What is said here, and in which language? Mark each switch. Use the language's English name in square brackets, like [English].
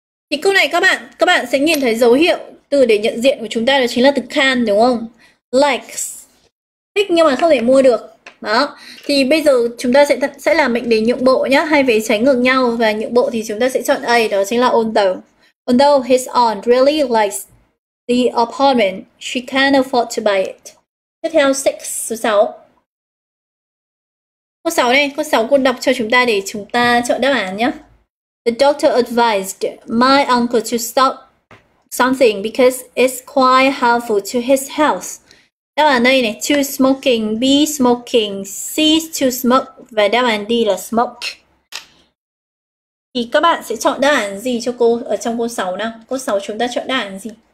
[Vietnamese] Thì câu này các bạn sẽ nhìn thấy dấu hiệu từ để nhận diện của chúng ta đó chính là từ can đúng không? Likes. Thích nhưng mà không thể mua được. Đó. Thì bây giờ chúng ta sẽ làm mệnh đề nhượng bộ nhá, hai vế trái ngược nhau và nhượng bộ thì chúng ta sẽ chọn A, đó chính là although. [English] Although his aunt really likes the apartment, she can't afford to buy it. [Vietnamese] Tiếp theo 6, số 6. Câu 6 này, câu 6 cô đọc cho chúng ta để chúng ta chọn đáp án nhé. [English] The doctor advised my uncle to stop something because it's quite harmful to his health. [Vietnamese] Đáp án đây này, to smoking, B smoking, C to smoke và đáp án D là smoke. Thì các bạn sẽ chọn đáp án gì cho cô ở trong câu 6 nào? Câu 6 chúng ta chọn đáp án gì?